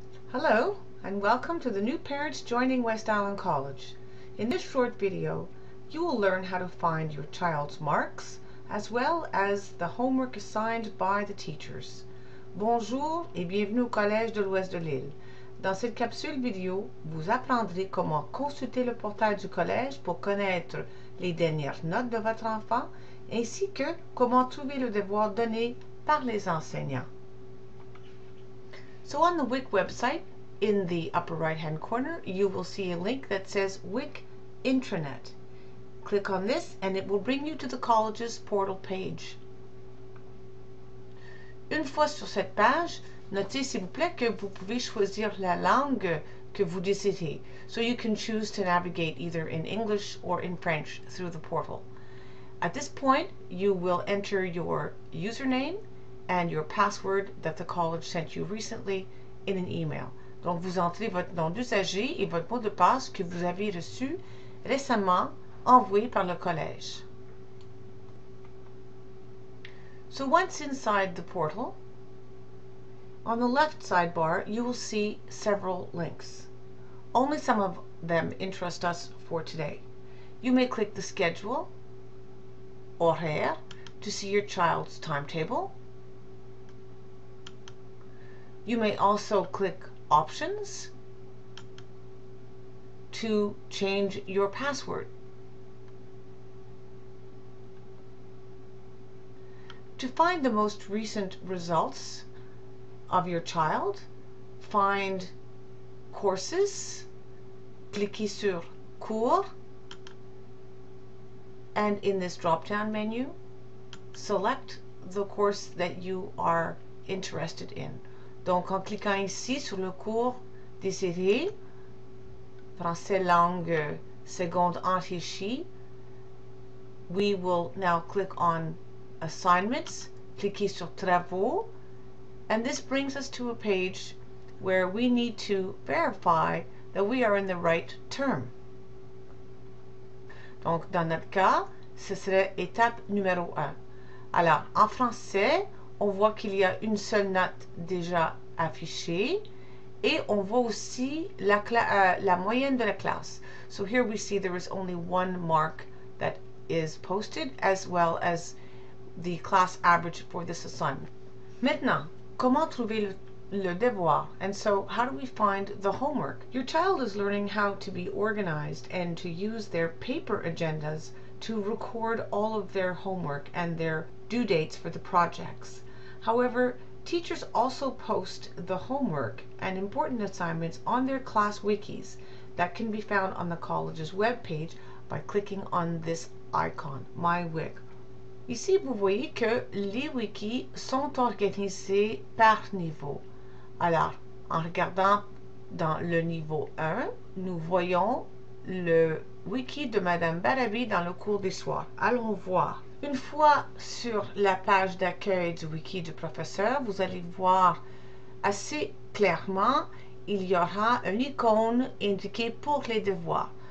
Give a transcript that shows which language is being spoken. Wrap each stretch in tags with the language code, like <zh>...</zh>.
<en>Hello, and welcome to the new parents joining West Island College. In this short video, you will learn how to find your child's marks, as well as the homework assigned by the teachers.</en> <fr>Bonjour et bienvenue au Collège de l'Ouest de Lille. Dans cette capsule vidéo, vous apprendrez comment consulter le portail du collège pour connaître les dernières notes de votre enfant, ainsi que comment trouver le devoir donné par les enseignants.</fr> <en>So on the WIC website, in the upper right-hand corner, you will see a link that says WIC Intranet. Click on this and it will bring you to the college's portal page.</en> <fr>Une fois sur cette page, notez s'il vous plaît que vous pouvez choisir la langue que vous désirez.</fr> <en>So you can choose to navigate either in English or in French through the portal. At this point, you will enter your username and your password that the college sent you recently in an email.</en> <fr>Donc vous entrez votre nom d'usager et votre mot de passe que vous avez reçu récemment envoyé par le collège.</fr> <en>So once inside the portal, on the left sidebar, you will see several links. Only some of them interest us for today. You may click the schedule, horaire, to see your child's timetable. You may also click options to change your password. To find the most recent results of your child, find courses,</en> <fr>cliquez sur cours,</fr> <en>and in this drop-down menu, select the course that you are interested in.</en> <fr>Donc, en cliquant ici sur le cours désiré, français langue seconde enrichie,</fr> <en>we will now click on assignments,</en> <fr>cliquez sur travaux,</fr> <en>and this brings us to a page where we need to verify that we are in the right term.</en> <fr>Donc, dans notre cas, ce serait étape numéro 1. Alors, en français, on voit qu'il y a une seule note déjà affiché et on voit aussi la moyenne de la classe.</fr> <en>So here we see there is only one mark that is posted as well as the class average for this assignment.</en> <fr>Maintenant, comment trouver le devoir?</fr> <en>And so how do we find the homework? Your child is learning how to be organized and to use their paper agendas to record all of their homework and their due dates for the projects. However, teachers also post the homework and important assignments on their class wikis that can be found on the college's webpage by clicking on this icon, My Wik.</en> <fr>Ici, vous voyez que les wikis sont organisés par niveau. Alors, en regardant dans le niveau 1, nous voyons le wiki de Madame Barabi dans le cours des soirs. Allons voir. Une fois sur la page d'accueil du wiki du professeur, vous allez voir assez clairement, il y aura une icône indiquée pour les devoirs.</fr>